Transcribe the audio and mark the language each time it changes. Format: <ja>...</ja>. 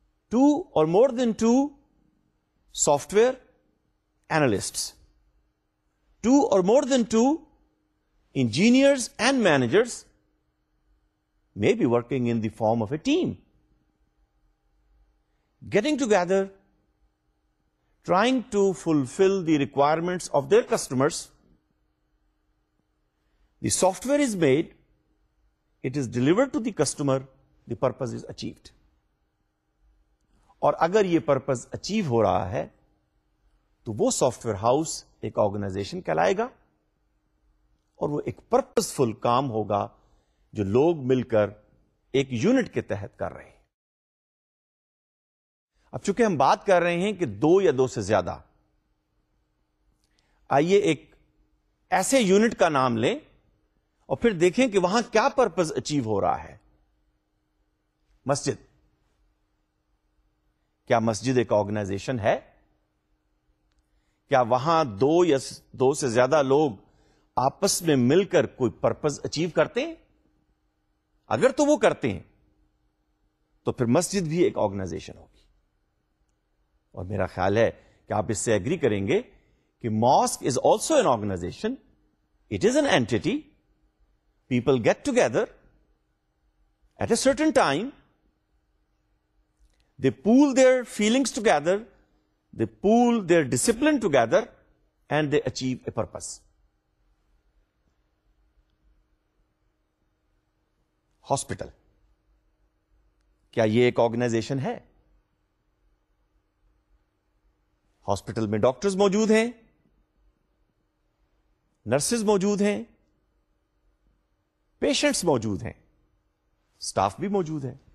<en>Two or more than two software analysts, two or more than two engineers and managers may be working in the form of a team, getting together, trying to fulfill the requirements of their customers. The software is made, it is delivered to the customer, the purpose is achieved.</en> <ur>اور اگر یہ purpose achieve ہو رہا ہے تو وہ soft where house ایک organization کہلائے گا اور وہ ایک پرپز فل کام ہوگا جو لوگ مل کر ایک یونٹ کے تحت کر رہے ہیں. اب چونکہ ہم بات کر رہے ہیں کہ دو یا دو سے زیادہ, آئیے ایک ایسے یونٹ کا نام لیں اور پھر دیکھیں کہ وہاں کیا پرپز اچیو ہو رہا ہے. مسجد, کیا مسجد ایک آرگنائزیشن ہے؟ کیا وہاں دو یا دو سے زیادہ لوگ آپس میں مل کر کوئی پرپز اچیو کرتے ہیں؟ اگر تو وہ کرتے ہیں تو پھر مسجد بھی ایک آرگنائزیشن ہوگی. اور میرا خیال ہے کہ آپ اس سے اگری کریں گے کہ</ur> <en>mosque is also an organization, it is an entity, people get together at a certain time, they pool their feelings together, they pool their discipline together and they achieve a purpose.</en> <ur>Hospital, کیا یہ ایک organization ہے؟ Hospital میں doctors موجود ہیں, nurses موجود ہیں, patients موجود ہیں, سٹاف بھی موجود ہے.</ur>